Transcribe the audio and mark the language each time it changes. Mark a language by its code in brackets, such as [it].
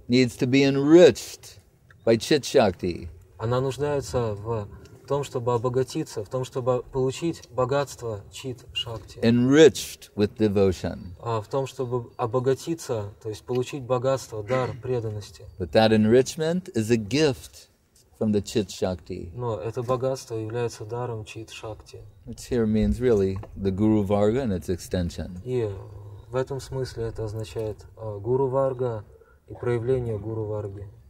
[en] Needs to be enriched by chit-shakti. [ru] Она нуждается в том, чтобы обогатиться, в том, чтобы получить богатство чит-шакти. [en] Enriched with devotion. [ru] В том, чтобы обогатиться, то есть получить богатство, дар преданности. [en] But that enrichment is a gift from the chit-shakti. [ru] Но это богатство является даром чит-шакти. [en] Which here means really the Guru Varga and its extension. [ru] И в этом смысле это означает Guru Varga и проявление Guru Varga.